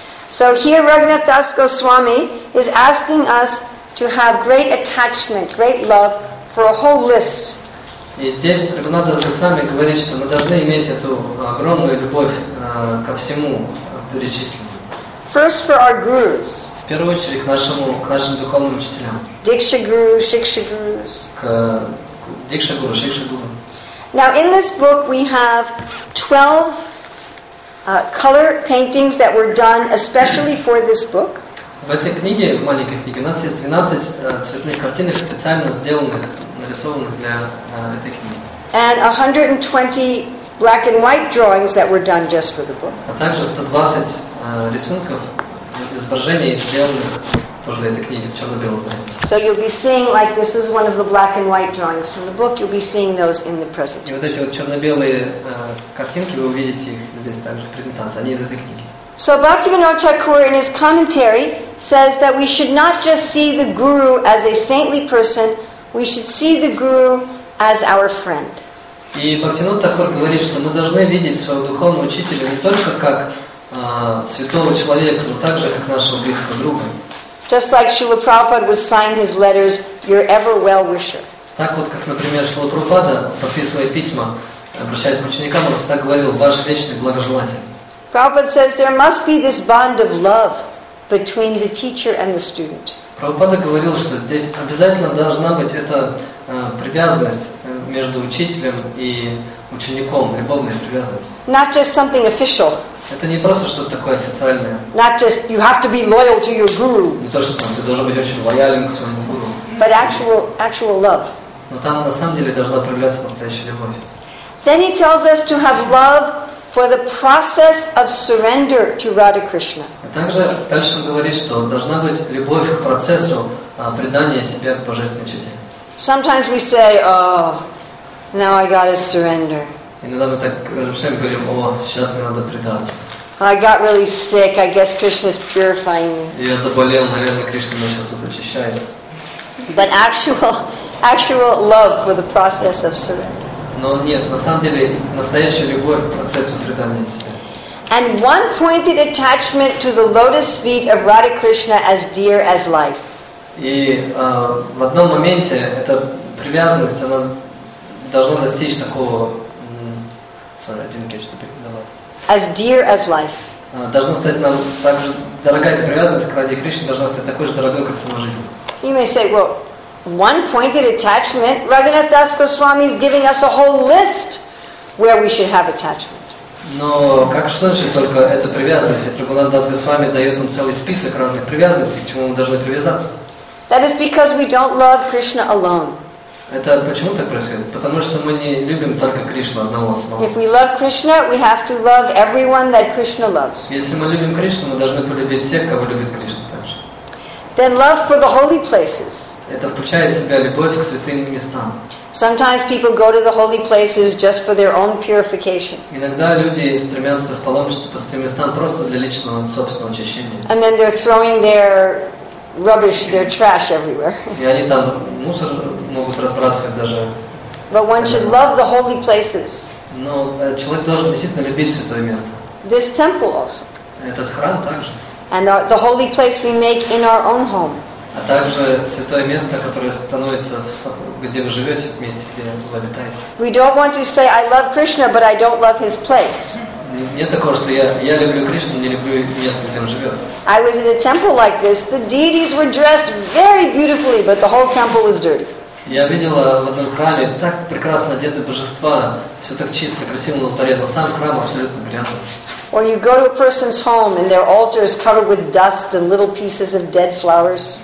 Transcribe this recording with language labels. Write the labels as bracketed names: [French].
[English] So here Raghunath Das Goswami is asking us to have great attachment, great love for a whole list. [Russian] И здесь Раганат Дас Госвами говорит, что мы должны иметь эту огромную любовь ко всему перечисленному. [English] First for our gurus. [Russian] В первую очередь к нашим духовным учителям. Дикша гуру, шикша гурус. Дикша гуру, шикша гуру. [English] Now in this book we have 12 color paintings that were done especially for this book. [Russian] В этой книге, в маленькой книге, у нас есть 12 цветных картинок, специально сделанных, нарисованных для этой книги. [English] And 120 black and white drawings that were done just for the book. [Russian] А также 120 рисунков, изображений, сделанных тоже для этой книги, в черно-белом. [English] So you'll be seeing, like this is one of the black and white drawings from the book, you'll be seeing those in the presentation. [Russian] И вот эти вот черно-белые картинки, вы увидите их здесь также в презентации, они из этой книги. [English] So Bhaktivinoda Thakur in his commentary says that we should not just see the guru as a saintly person, we should see the guru as our friend. [Russian] И Бхактивинода Тхакур говорит, что мы должны видеть своего духовного учителя не только как святого человека, но также как нашего близкого друга. [English] Just like Srila Prabhupada would sign his letters, your ever well wisher. [Russian] Так вот, как, например, Шрила Прабхупада, подписывая письма, обращаясь к ученикам, он всегда говорил, ваш вечный благожелатель. [English] Prabhupada says, there must be this bond of love between the teacher and the student. [Russian] Прабхупада говорил, что здесь обязательно должна быть эта привязанность между учителем и учеником, любовная привязанность. [English] Not just something official. [Russian] Это не просто что-то такое официальное. [English] Not just you have to be loyal to your guru. [Russian] Не то, что ты должен быть очень лоялен к своему гуру. [English] But actual love. [Russian] Но там на самом деле должна проявляться настоящая любовь. [English] Then he tells us to have love for the process of surrender to Radha Krishna. [Russian] Также дальше он говорит, что должна быть любовь к процессу предания себя Божественной Чете. [English] Sometimes we say, oh, now I gotta surrender. [Russian] Иногда мы так размышляем, говорим, о, сейчас мне надо предаться. [English] I got really sick. I guess Krishna's purifying me. [Russian] Я заболел, наверное, Кришна меня сейчас вот очищает. [English] But actual love for the process of surrender. [Russian] Но нет, на самом деле, настоящая любовь к процессу предания себя. [English] And one-pointed attachment to the lotus feet of Radha Krishna as dear as life. [Russian] И в одном моменте эта привязанность, она должна достичь такого... [English] Sorry, I didn't catch the picture. As dear as life. [Russian] Должна стать нам так же дорогая эта привязанность к Раде Кришне, должна стать такой же дорогой, как сама жизнь. [English] You may say, well, one-pointed attachment. Raghunath Das Goswami is giving us a whole list where we should have attachment. [Russian] Но как что значит только эта привязанность? Ведь Раганат Дас Госвами дает нам целый список разных привязанностей, к чему мы должны привязаться. [English] That is because we don't love Krishna alone. [Russian] Это почему так происходит? Потому что мы не любим только Кришну одного самого. [English] If we love Krishna, we have to love everyone that Krishna loves. [Russian] Если мы любим Кришну, мы должны полюбить всех, кого любит Кришна также. [English] Then love for the holy places. [Russian] Это включает в себя любовь к святым местам. [English] Sometimes people go to the holy places just for their own purification. [Russian] Иногда люди стремятся в паломничество по святым местам просто для личного собственного очищения. [English] And then they're throwing their rubbish, their trash everywhere. [Russian] И они там мусор могут разбрасывать даже. [English] But one should love the holy places. [Russian] Но человек должен действительно любить святое место. [English] This temple also. [Russian] Этот храм также. [English] And the holy place we make in our own home. [Russian] А также святое место, которое становится, где вы живете, в месте, где вы обитаете. [English] We don't want to say, I love Krishna, but I don't love his place. [Russian] Нет такого, что я люблю Кришну, не люблю место, где он живет. [English] I was in a temple like this. The deities were dressed very beautifully, but the whole temple was dirty. [Russian] Я видела в одном храме так прекрасно одеты божества, все так чисто, красиво на алтаре, но сам храм абсолютно грязный. [English] Or you go to a person's home and their altar is covered with dust and little pieces of dead flowers.